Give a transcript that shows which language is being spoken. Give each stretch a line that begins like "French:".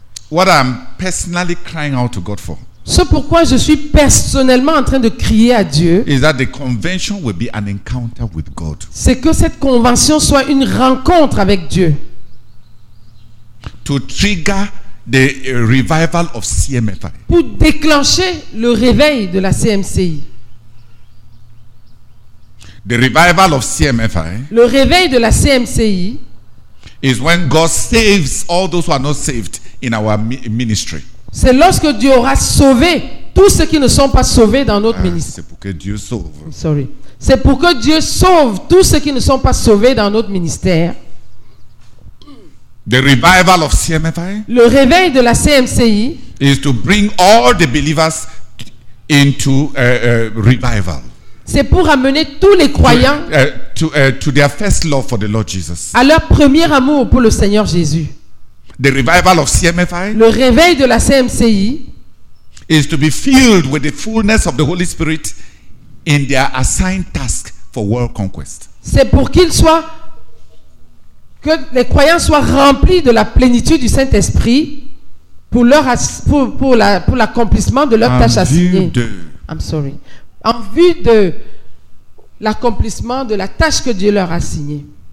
English: What I'm personally crying out to God for.
French: Ce pourquoi je suis personnellement en train de crier à Dieu.
English: Is that the convention will be an encounter with God.
French: C'est que cette convention soit une rencontre avec Dieu.
English: To trigger the revival of CMFI.
French: Pour déclencher le réveil de la CMCI.
English: The revival of CMFI.
French: Le réveil de la CMCI.
English: Is when God saves all those who are not saved. In our ministry.
French: C'est lorsque Dieu aura sauvé tous ceux qui ne sont pas sauvés dans notre ministère. C'est pour que Dieu sauve.
English: Sorry.
French: C'est pour que Dieu sauve tous ceux qui ne sont pas sauvés dans notre ministère.
English: The revival of CMFI.
French: Le réveil de la CMCI.
English: Is to bring all the believers into revival.
French: C'est pour amener tous les croyants
English: to their first love for the Lord Jesus.
French: À leur premier amour pour le Seigneur Jésus.
English: The revival of CMFI.
French: Le réveil de la CMCI
English: is to be filled with the fullness of the Holy Spirit in their assigned task for world conquest.
French: C'est pour qu'ils soient que les croyants soient remplis de la plénitude du Saint-Esprit pour leur pour l'accomplissement de leur en tâche assignée. De,
English: I'm sorry.
French: En vue de l'accomplissement de la tâche que Dieu leur a assignée.